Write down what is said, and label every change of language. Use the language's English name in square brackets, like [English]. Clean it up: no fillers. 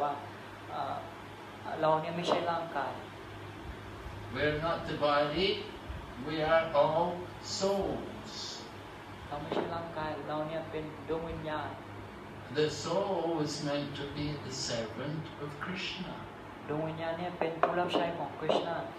[Thai] การที่เข้ามาในการหลุดพ้นเนี่ยเราก็จะสามารถเข้าใจว่าเราเนี่ยไม่ใช่ร่างกาย [English] We are not the body, we are all souls [Thai] เราไม่ใช่ร่างกายเราเนี่ยเป็นดวงวิญญาณ [English] The soul is meant to be the servant of Krishna [Thai] ดวงวิญญาณเนี่ยเป็นผู้รับใช้ของ Krishna